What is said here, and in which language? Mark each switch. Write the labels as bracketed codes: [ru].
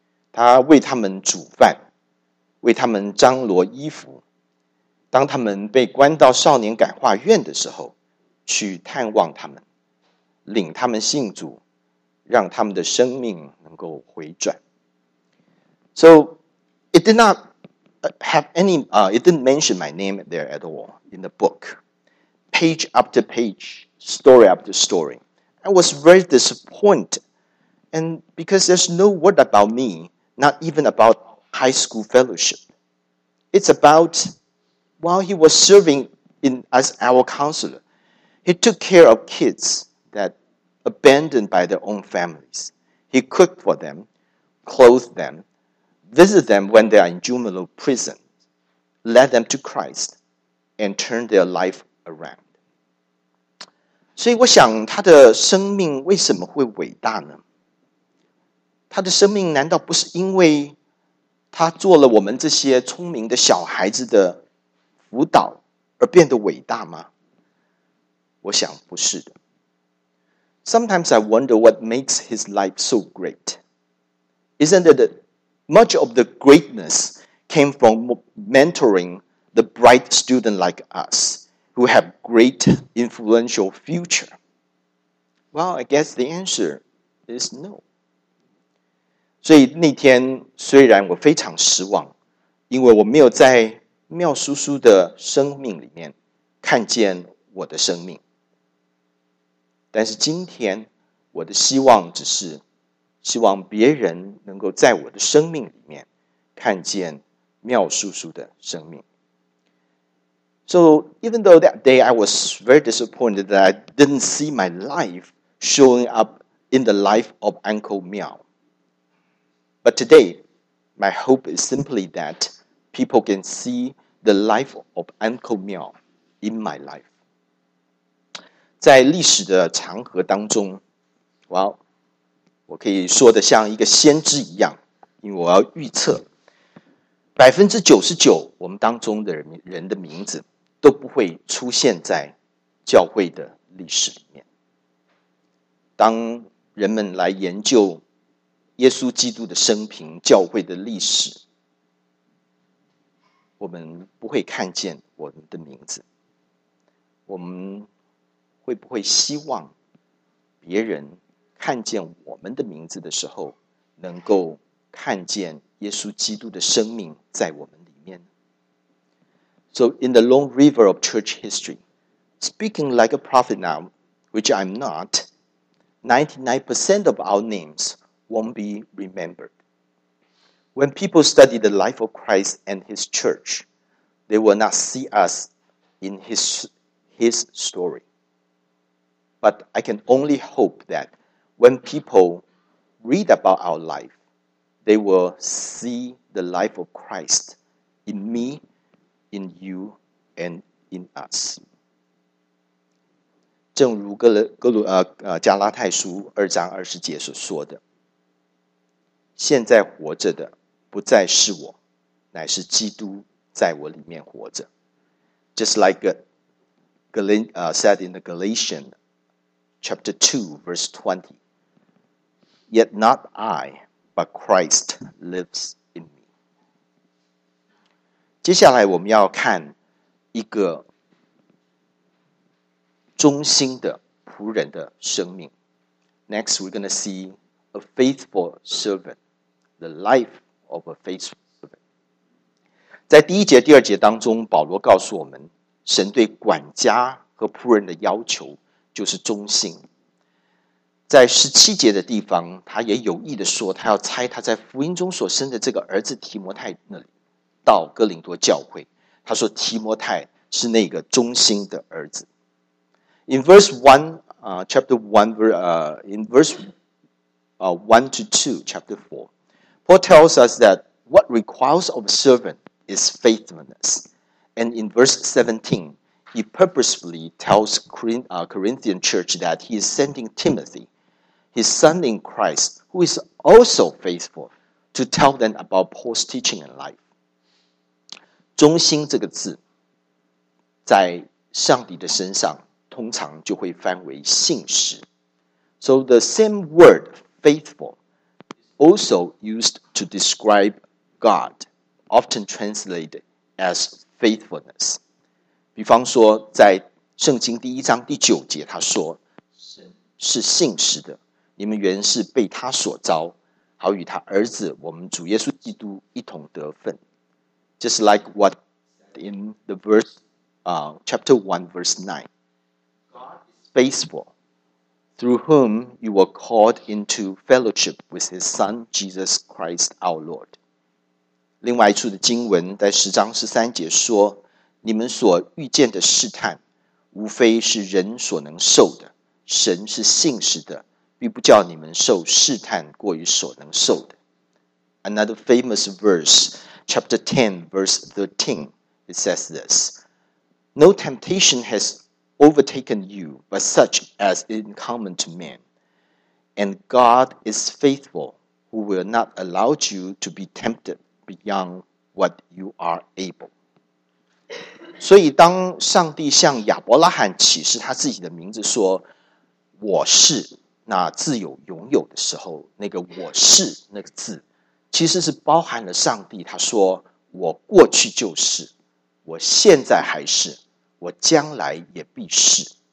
[zh] 他为他们煮饭，为他们张罗衣服，当他们被关到少年感化院的时候，去探望他们，领他们信主，让他们的生命能够回转。 [en] So it did not have any, it didn't mention my name there at all in the book. Page after page, story after story. I was very disappointed. And because there's no word about me, not even about high school fellowship. It's about while he was serving in, as our counselor, he took care of kids that abandoned by their own families. He cooked for them, clothed them, visited them when they are in juvenile prison, led them to Christ, and turned their life around. [zh] 所以我想他的生命为什么会伟大呢？他的生命难道不是因为他做了我们这些聪明的小孩子的辅导而变得伟大吗？我想不是的。 [en] Sometimes I wonder what makes his life so great. Isn't it that much of the greatness came from mentoring the bright student like us? Who have great influential future? Well, I guess the answer is no. [zh] 所以那天虽然我非常失望，因为我没有在妙叔叔的生命里面看见我的生命。但是今天我的希望只是希望别人能够在我的生命里面看见妙叔叔的生命。 [en] So even though that day I was very disappointed that I didn't see my life showing up in the life of Uncle Miao. But today, my hope is simply that people can see the life of Uncle Miao in my life. [zh] 在历史的长河当中， [en] well, [zh] 我可以说的像一个先知一样，因为我要预测 99% 我们当中的人的名字都不会出现在教会的历史里面。当人们来研究耶稣基督的生平、教会的历史，我们不会看见我们的名字。我们会不会希望别人看见我们的名字的时候，能够看见耶稣基督的生命在我们里面？ [en] So in the long river of church history, speaking like a prophet now, which I'm not, 99% of our names won't be remembered. When people study the life of Christ and his church, they will not see us in his story. But I can only hope that when people read about our life, they will see the life of Christ in me, in you, and in us. [zh] 正如加拉太书二章二十节所说的，现在活着的不再是我，乃是基督在我里面活着。 [en] Just like said in the Galatians chapter 2, verse 20, yet not I, but Christ lives in me. [zh] 接下来我们要看一个忠心的仆人的生命。 [en] Next, we're going to see a faithful servant, the life of a faithful servant. [zh] 在第一节、第二节当中，保罗告诉我们，神对管家和仆人的要求就是忠心。在十七节的地方，他也有意的说，他要差他在福音中所生的这个儿子提摩太那里，到哥林多教会。他说提摩太是那个忠心的儿子。 [en] In verse one, chapter one, in verse one to two, chapter four, Paul tells us that what requires of a servant is faithfulness. And in verse 17, he purposefully tells Corinthian church that he is sending Timothy, his son in Christ, who is also faithful, to tell them about Paul's teaching and life. [zh] 忠心这个字在上帝的身上通常就会翻为信实。 [en] So the same word, faithful, also used to describe God, often translated as faithful. Faithfulness. [zh] 比方说在圣经第一章第九节他说是信实的，你们原是被他所召，好与他儿子我们主耶稣基督一同得分。 [en] Just like what in the verse, chapter 1 verse 9, God is faithful, through whom you were called into fellowship with his son Jesus Christ our Lord. [zh] 另外一处的经文在十章十三节说，你们所遇见的试探无非是人所能受的，神是信实的，并不叫你们受试探过于所能受的。 [en] Another famous verse, chapter 10, verse 13, it says this, No temptation has overtaken you but such as is common to man, and God is faithful, who will not allow you to be temptedBeyond what you are able. [zh] 所以当上帝向亚伯拉罕启示他自己的名字说我是那自有拥有的时候，那个我是那个字其实是包含了上帝他说我过去就是，我现在还是，我将来也必是。